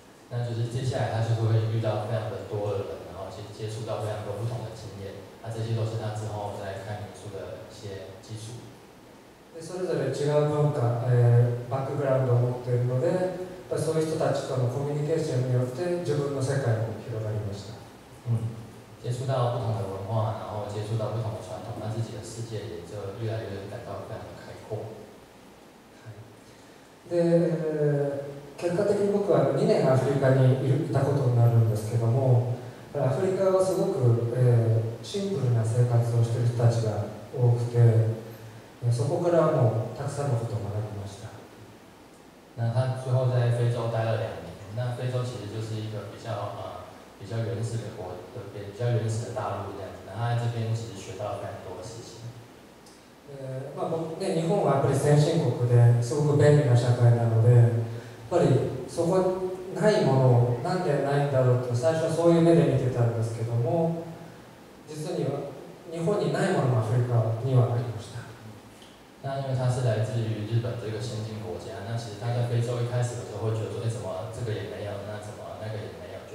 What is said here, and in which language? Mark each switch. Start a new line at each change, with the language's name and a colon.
Chinese: 那就是接下来他就会遇到非常的多的人，然后去接触到非常多不同的经验。那这些都是他之后在看民宿的一些基础。
Japanese: でそれぞれ違う文化、バックグラウンドを持っているので、そういう人たちとのコミュニケーションによって自分の世界も広がりました。
Chinese: 接触到不同的文化，然后接触到不同的传统，那自己的世界也就越来越感到非常的开阔。
Japanese: で、結果的に僕は2年アフリカにいたことになるんですけども、アフリカはすごく、シンプルな生活をしている人たちが多くて、そこからもたくさんのことを学びました。
Chinese: 那他最后在非洲待了两年，那非洲其实就是一个比较原始的国，对不对？比较原始的大陆这样子，然后在这边其实学到了非常多的事情。
Japanese: まあ、ね、日本はやっぱり先進国で、すごく便利な社会なので、やっぱりそこないものなんでないんだろうと最初はそういう目で見てたんですけども、実には日本にないものがアフリカにはありました。
Chinese: 那因为他是来自于日本这个先进国家，那其实他在非洲一开始的时候会觉得说，哎，怎么这个也没有，那怎么那个也没有。